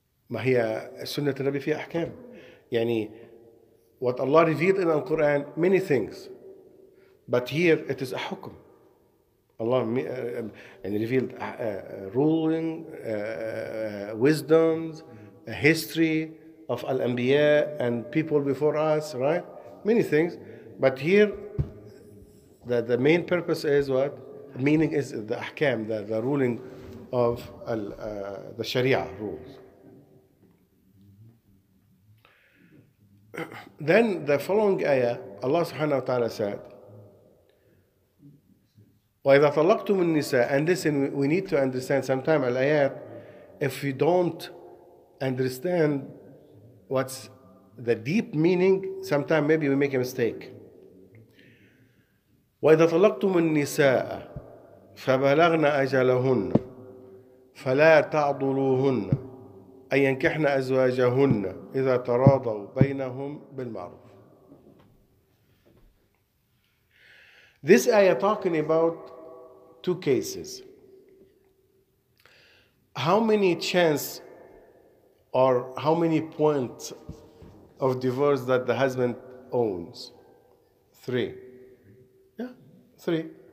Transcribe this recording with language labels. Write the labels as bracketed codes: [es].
[ar] ما هي سنة النبي فيها أحكام. يعني [en] what Allah revealed in the Quran, many things. But here it is a حكم. Allah revealed ruling, wisdoms, history of Al-Anbiya and people before us, right? Many things. But here the main purpose is what? Meaning is the أحكام, the ruling of the Sharia rules. Then the following ayah, Allah subhanahu wa ta'ala said, [ar] وَإِذَا طَلَّقْتُمُ النِّسَاءَ. [en] And listen, we need to understand sometime al-ayat, if we don't understand what's the deep meaning, sometime maybe we make a mistake. [ar] وَإِذَا طَلَّقْتُمُ النِّسَاءَ فَبَلَغْنَ أَجَلَهُنَّ فَلَا تَعْضُلُوهُنَّ أن ينكحن أزواجهن إذا تراضوا بينهم بالمعروف. [en] This ayah talking about two cases. How many chance or how many points of divorce that the husband owns? Three. Yeah, three.